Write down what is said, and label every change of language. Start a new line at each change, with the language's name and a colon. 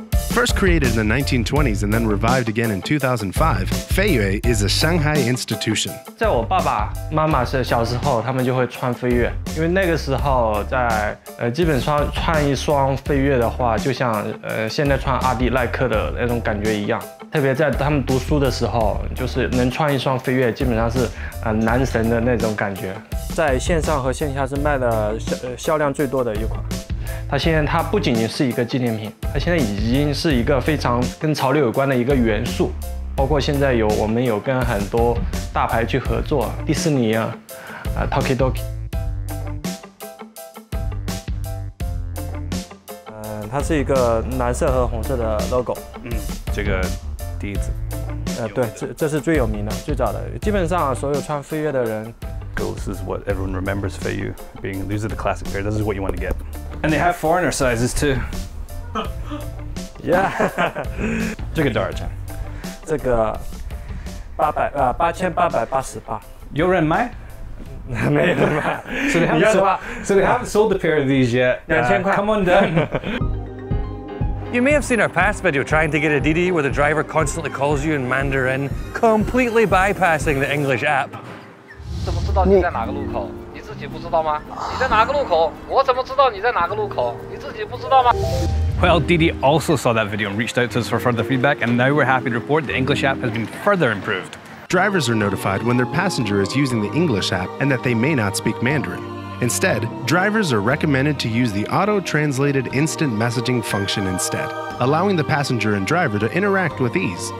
English: First created in the 1920s and then revived again in 2005, Feiyue is a Shanghai institution. In my father's childhood, they would wear Feiyue. Because at that time, if you wear Feiyue, it would be like wearing Adilike now. It would be like
Chinese: 特别在他们读书的时候，就是能穿一双飞跃，基本上是男神的那种感觉。在线上和线下是卖的销量最多的一款。它现在它不仅仅是一个纪念品，它现在已经是一个非常跟潮流有关的一个元素。包括现在有我们有跟很多大牌去合作，迪士尼啊，Tokidoki。它是一个蓝色和红色的 logo。嗯，这个笛子对，这是最有名的，最早的，基本上所有穿飞跃的人。
English: This is what everyone remembers for you, being, these are the classic pair, this is what you want to get. And they have foreigner sizes too. Yeah.
Chinese: 这个多少钱？这个8888。有人买？没有人买。
English: So they haven't sold a pair of these yet.
Chinese: 2000块。
English: Come on down. You may have seen our past video trying to get a DD where the driver constantly calls you in Mandarin, completely bypassing the English app.
Chinese: 怎么知道你在哪个路口？你自己不知道吗？你在哪个路口？我怎么知道你在哪个路口？你自己不知道吗？
English: Well, Didi also saw that video and reached out to us for further feedback, and now we're happy to report the English app has been further improved. Drivers are notified when their passenger is using the English app and that they may not speak Mandarin. Instead, drivers are recommended to use the auto-translated instant messaging function instead, allowing the passenger and driver to interact with ease.